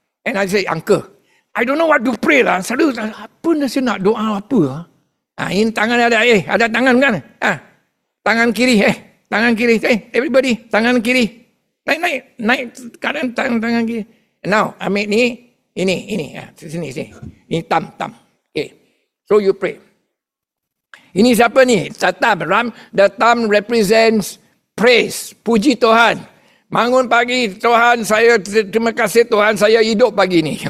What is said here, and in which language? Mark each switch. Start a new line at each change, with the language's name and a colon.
English: And I say, uncle, I don't know what to pray lah.
Malay: Selalu, apa nak saya nak doa apa lah? Ini tangan ada, ada tangan kan? Tangan kiri. Everybody, tangan kiri. Naik. Sekarang tangan kiri. Now, ambil ni. Ini. Sini. Ini tam. Okay.
English: So you pray.
Malay: Ini siapa ni?
English: The tam represents praise.
Malay: Puji Tuhan. Bangun pagi, Tuhan, saya terima kasih Tuhan, saya hidup pagi ni.